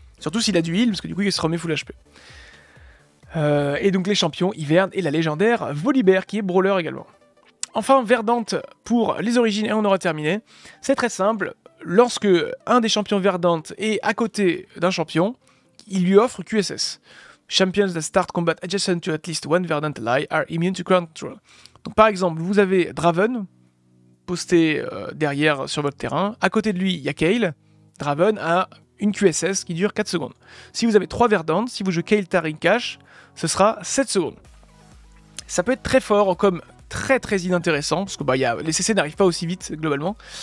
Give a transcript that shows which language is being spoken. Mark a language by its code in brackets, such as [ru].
[fr] Surtout s'il a du heal, parce que du coup il se remet full HP. Et donc les champions, Hiverne et la légendaire Volibear, qui est brawler également. Enfin, Verdant pour les origines, et on aura terminé. C'est très simple, lorsque un des champions Verdant est à côté d'un champion, il lui offre QSS. [en] Champions that start combat adjacent to at least one Verdant ally are immune to crowd control. [fr] Donc par exemple, vous avez Draven, posté derrière sur votre terrain. À côté de lui, il y a Kayle. Draven a une QSS qui dure 4 secondes. Si vous avez 3 Verdant, si vous jouez Kayle, Taryn, Kash, ce sera 7 secondes. Ça peut être très fort comme... très très inintéressant, parce que bah, les CC n'arrivent pas aussi vite globalement.